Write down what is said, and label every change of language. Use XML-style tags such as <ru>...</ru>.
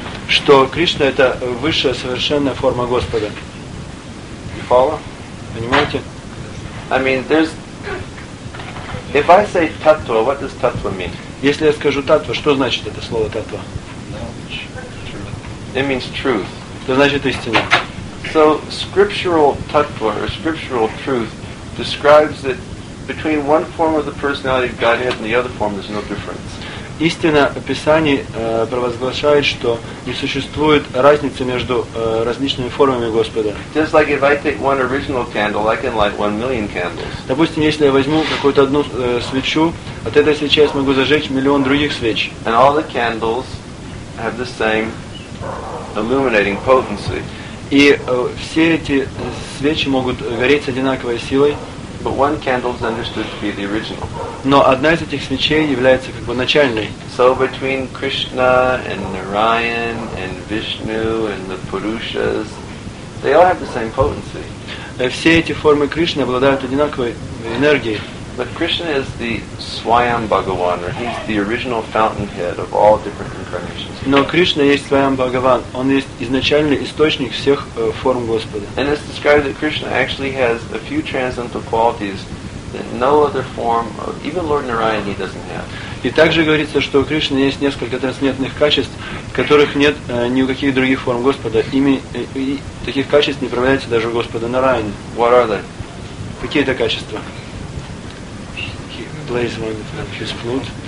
<ru>Что Кришна это высшая совершенная форма Господа.</ru> <en>You follow?</en> <ru>Понимаете?</ru> <en>I mean, there's if I say tattva, what does tattva mean?</en> <ru>Если я скажу татва, что значит это слово татва?</ru> <en>It means truth.</en> <ru>Это значит истина.</ru> <en>So scriptural tattva or scriptural truth describes that between one form of the personality of Godhead and the other form there's no difference.</en> <ru>Истина Писаний провозглашает, что не существует разницы между различными формами Господа.</ru> <en>Just like if I take one original candle, I can light 1 million candles.</en> <ru>Допустим, если я возьму какую-то одну свечу, от этой свечи я смогу зажечь миллион других свеч.</ru> <en>And all the candles have the same illuminating potency.</en> <ru>И все эти свечи могут гореть с одинаковой силой.</ru> <en>But one candle is understood to be the original.</en> <ru>Но одна из этих свечей является как бы начальной.</ru> <en>So between Krishna and Narayan and Vishnu and the Purushas, they all have the same potency.</en> <ru>Все эти формы Кришны обладают одинаковой энергией.</ru> <en>But Krishna is the Swayam Bhagavan, or he's the original fountainhead of all different incarnations.</en> <ru>Но Кришна есть Swayam Bhagavan. Он есть изначальный источник всех форм Господа.</ru> <en>And it's described that Krishna actually has a few transcendental qualities that no other form, of, even Lord Narayan, he doesn't have.</en> <ru>И также говорится, что у Кришны есть несколько трансцендентных качеств, которых нет ни у каких других форм Господа. Таких качеств не проявляется даже у Господа Нараяны.</ru> <en>What are they?</en> <ru>Какие это качества?</ru> <en>Plays on his flute.</en>